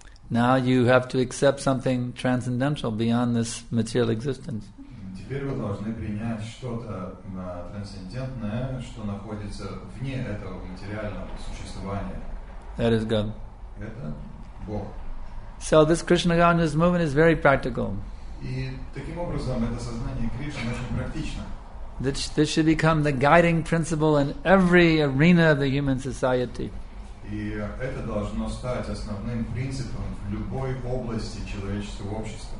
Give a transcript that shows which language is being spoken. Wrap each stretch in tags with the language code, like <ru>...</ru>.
<en>Now you have to accept something transcendental beyond this material existence.</en> <ru>Теперь вы должны принять что-то трансцендентное, что находится вне этого материального существования.</ru> <en>That is God.</en> <ru>Это Бог.</ru> <en>So this Krishna consciousness movement is very practical.</en> <ru>И таким образом это сознание Кришны очень практично.</ru> <en>This should become the guiding principle in every arena of the human society.</en> <ru>И это должно стать основным принципом в любой области человеческого общества.</ru>